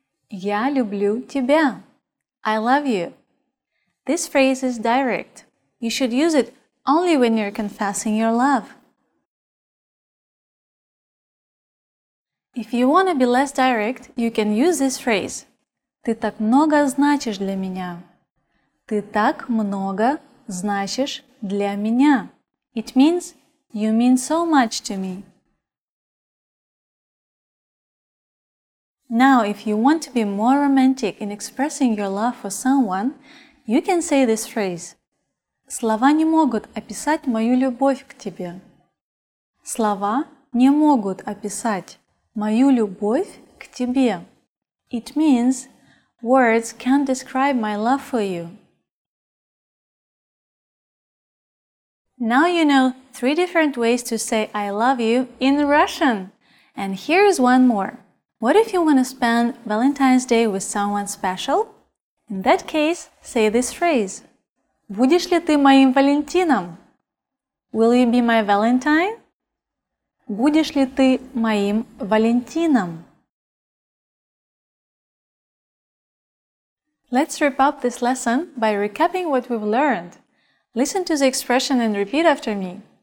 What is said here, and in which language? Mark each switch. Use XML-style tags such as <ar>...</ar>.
<ru>Я люблю тебя.</ru> <en>I love you. This phrase is direct. You should use it only when you're confessing your love. If you want to be less direct, you can use this phrase.</en> <ru>Ты так много значишь для меня. Ты так много значишь для меня.</ru> <en>It means you mean so much to me. Now, if you want to be more romantic in expressing your love for someone, you can say this phrase.</en> <ru>Слова не могут описать мою любовь к тебе. Слова не могут описать мою любовь к тебе.</ru> <en>It means words can't describe my love for you. Now you know three different ways to say I love you in Russian. And here is one more. What if you want to spend Valentine's Day with someone special? In that case, say this phrase.</en> <ru>Будешь ли ты моим Валентином?</ru> <en>Will you be my Valentine?</en> <ru>Будешь ли ты моим Валентином?</ru> <en>Let's wrap up this lesson by recapping what we've learned. Listen to the expression and repeat after me.</en>